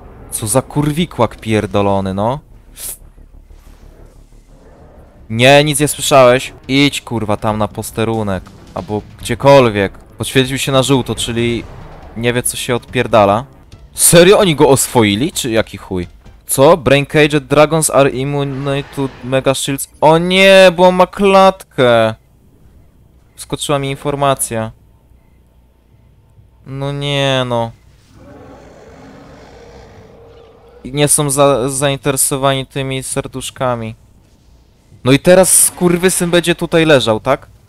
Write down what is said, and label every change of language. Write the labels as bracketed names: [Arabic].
[Polish] Co za kurwikłak pierdolony, no? Nie, nic nie słyszałeś. Idź, kurwa, tam na posterunek. Albo gdziekolwiek. Poświęcił się na żółto, czyli... Nie wie, co się odpierdala. Serio? Oni go oswoili? Czy jaki chuj? Co? [English] Brain Caged Dragons are immune to Mega Shields. [Polish] O nie, bo ma klatkę. Wskoczyła mi informacja. No nie, no. Nie są zainteresowani tymi serduszkami. No i teraz skurwysyn będzie tutaj leżał, tak?